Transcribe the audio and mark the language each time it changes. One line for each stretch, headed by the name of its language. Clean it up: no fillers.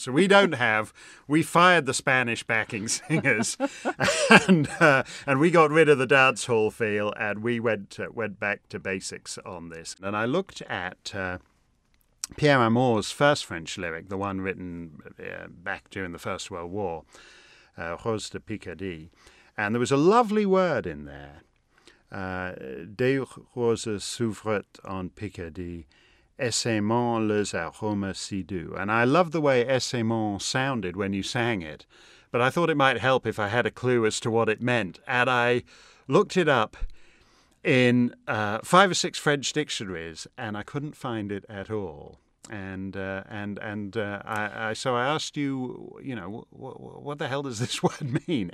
English: So we fired the Spanish backing singers, and we got rid of the dance hall feel, and we went back to basics on this. And I looked at Pierre Amour's first French lyric, the one written back during the First World War, Rose de Picardy. And there was a lovely word in there.
French: Des roses s'ouvrent en Picardie, essaimant les aromes si doux.
English: And I love the way essaimant sounded when you sang it, but I thought it might help if I had a clue as to what it meant. And I looked it up in five or six French dictionaries, and I couldn't find it at all. So I asked you, you know, what the hell does this word mean?